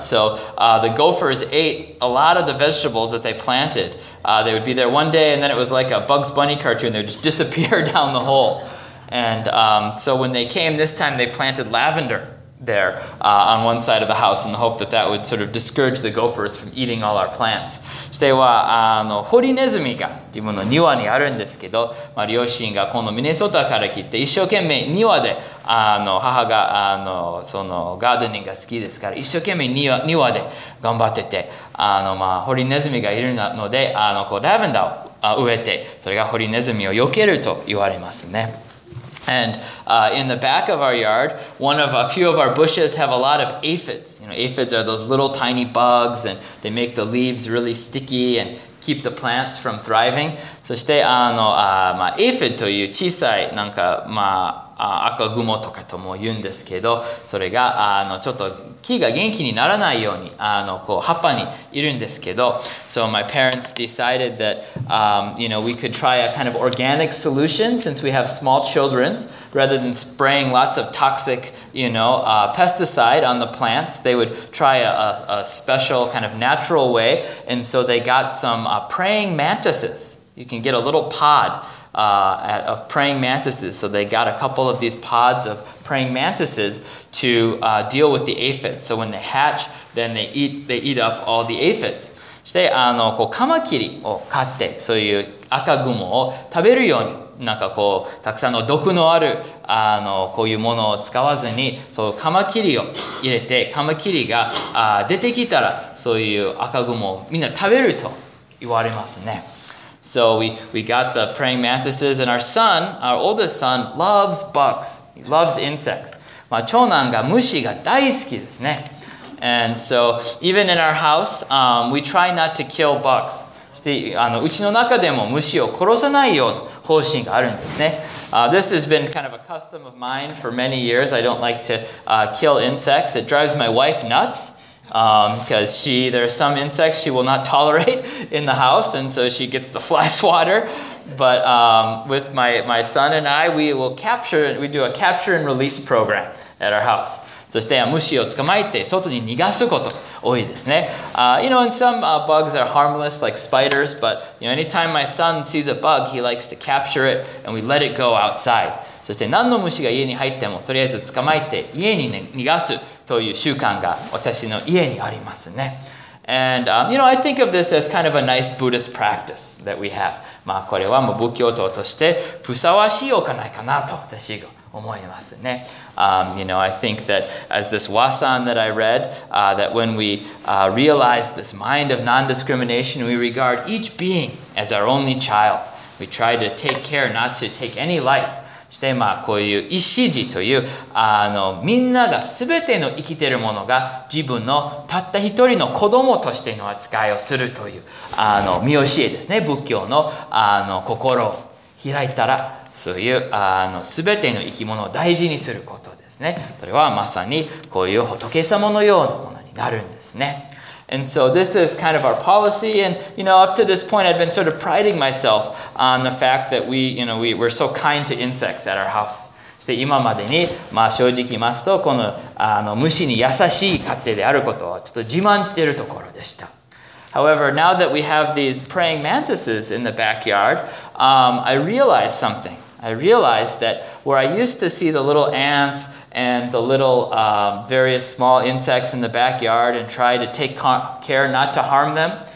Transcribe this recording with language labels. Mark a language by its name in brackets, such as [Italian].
[English] So the gophers ate a lot of the vegetables that they planted. They would be there one day, and then it was like a Bugs Bunny cartoon. They would just disappear down the hole. And so when they came this time, they planted lavender there on one side of the house in the hope that that would sort of discourage the gophers from eating all our plants. [Japanese] そしては、ホリネズミがっていうものを庭にあるんですけど、まあ、両親がこのミネソタから来て一生懸命庭で、母がそのガーデニングが好きですから一生懸命庭で頑張ってて、まあ、ホリネズミがいるので、こうラベンダーを植えて、それがホリネズミを避けると言われますね。 [English] And in the back of our yard, a few of our bushes have a lot of aphids. You know, aphids are those little tiny bugs, and they make the leaves really sticky and keep the plants from thriving. [Japanese] そしてまあ、aphid という小さいなんか、まあ、赤蜘蛛とかとも言うんですけど、それがちょっと木が元気にならないようにこう葉っぱにいるんですけど、 [English] So my parents decided that you know, we could try a kind of organic solution since we have small children, rather than spraying lots of toxic, you know, pesticide on the plants. They would try a special kind of natural way, and so they got some praying mantises. You can get a little pod of praying mantises. So they got a couple of these pods of praying mantises to deal with the aphids. So when they hatch, then they eat up all the aphids. [Japanese] そしてこうカマキリを飼って、そういう赤蜘蛛を食べるように、なんかこうたくさんの毒のあるこういうものを使わずに、そうカマキリを入れて、カマキリが出てきたら、そういう赤蜘蛛をみんな食べると言われますね。 [English] So we got the praying mantises, and our son, our oldest son, loves bugs. He loves insects. [Japanese] まあ、長男が虫が大好きですね。 [English] And so even in our house, we try not to kill bugs. [Japanese] うちの中でも虫を殺さないような方針があるんですね。 [English] This has been kind of a custom of mine for many years. I don't like to kill insects. It drives my wife nuts. Because there are some insects she will not tolerate in the house, and so she gets the fly swatter. But with my son and I, we do a capture and release program at our house. [Japanese] そして虫を捕まえて外に逃がすこと多いですね。 [English] You know, and some bugs are harmless, like spiders, but you know, anytime my son sees a bug, he likes to capture it, and we let it go outside. [Japanese] そして何の虫が家に入ってもとりあえず捕まえて家に、ね、逃がすという習慣が私の家にありますね。 [English] And, you know, I think of this as kind of a nice Buddhist practice that we have. [Japanese] まあこれはもう仏教徒としてふさわしい行いかなと私が思いますね。 [English] You know, I think that as this wasan that I read, that when we realize this mind of non-discrimination, we regard each being as our only child. We try to take care not to take any life. [Japanese] そして、まあ、こういう一心地という、みんながすべての生きているものが自分のたった一人の子供としての扱いをするという、見教えですね。仏教の、心を開いたら、そういう、すべての生き物を大事にすることですね。それはまさにこういう仏様のようなものになるんですね。 [English] And so this is kind of our policy, and you know, up to this point, I've been sort of priding myself on the fact that we're so kind to insects at our house. [Japanese] そして今までに、まあ正直言いますと、この、虫に優しい家庭であることをちょっと自慢しているところでした。 [English] However, now that we have these praying mantises in the backyard, I realized something. I realized that where I used to see the little ants and the little various small insects in the backyard and try to take care not to harm them.